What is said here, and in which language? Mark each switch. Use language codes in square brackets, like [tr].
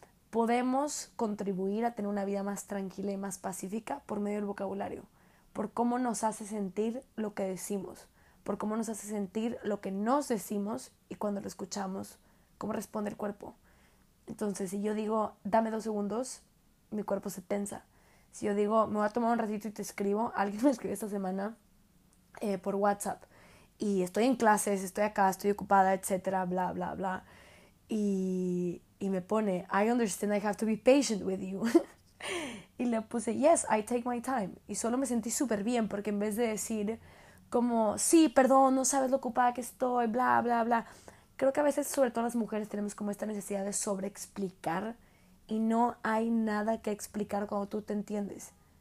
[es] podemos contribuir a tener una vida más tranquila y más pacífica por medio del vocabulario, por cómo nos hace sentir lo que decimos, por cómo nos hace sentir lo que nos decimos y cuando lo escuchamos, cómo responde el cuerpo. Entonces, si yo digo, dame 2 segundos, mi cuerpo se tensa. Si yo digo, me voy a tomar un ratito y te escribo, alguien me escribió esta semana por WhatsApp y estoy en clases, estoy acá, estoy ocupada, etcétera, bla, bla, bla. Y me pone, [en] I understand I have to be patient with you. [es] Y le puse, [en] yes, I take my time. [es] Y solo me sentí súper bien porque en vez de decir, como, sí, perdón, no sabes lo ocupada que estoy, bla, bla, bla. Creo que a veces, sobre todo las mujeres, tenemos como esta necesidad de sobreexplicar y no hay nada que explicar cuando tú te entiendes.